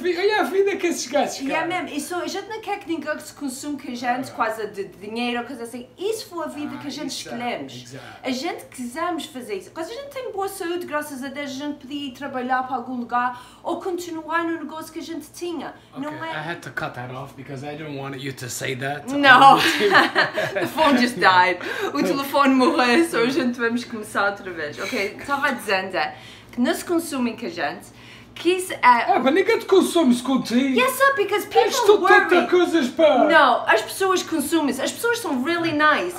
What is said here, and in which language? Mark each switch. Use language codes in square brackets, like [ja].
[pt] Olha a vida que esses gajos querem. Yeah, mesmo. E só, a gente não quer que ninguém que se consuma com a gente, quase de dinheiro, coisa assim. Isso foi a vida que a gente escolhemos. Exato. A gente quisemos fazer isso. Quase a gente tem boa saúde, graças a Deus, a gente podia ir trabalhar para algum lugar ou continuar no negócio que a gente tinha. [en] Okay. [pt] Não é? [en] I had to cut that off because I didn't want you to say that. No. The phone just died. [pt] O telefone morreu, so a gente vamos começar outra vez. Ok, estava dizendo é que não se consumem com a gente, que isso é... É, mas ninguém te consome-se contigo. [en] Yes, sir, because people worry. Estou [pt] tanta coisas, pá. No, as pessoas consumem-se. As pessoas são [en] really nice.